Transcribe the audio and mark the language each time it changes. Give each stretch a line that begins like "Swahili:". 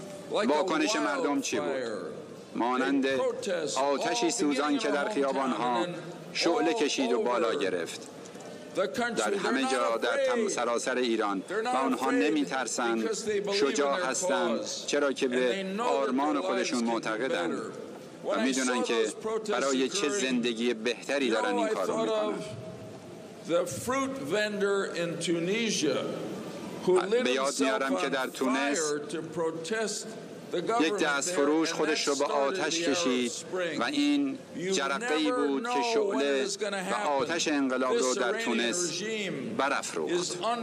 Persian: واکنش مردم چی بود؟ مانند آتشی سوزان که در خیابان‌ها شعله کشید و بالا گرفت در همه جا در سراسر ایران و آنها نمی‌ترسند، شجاع هستند، چرا که به آرمان خودشون معتقدند و می‌دونن که برای چه زندگی بهتری دارن این کارو می‌کنن.
English: The fruit vendor in Tunisia who lit himself on fire to protest
Persian: یک دست فروش خودش رو به آتش کشید و این جرقه ای بود که شعله و آتش انقلاب رو در تونس برافروخت.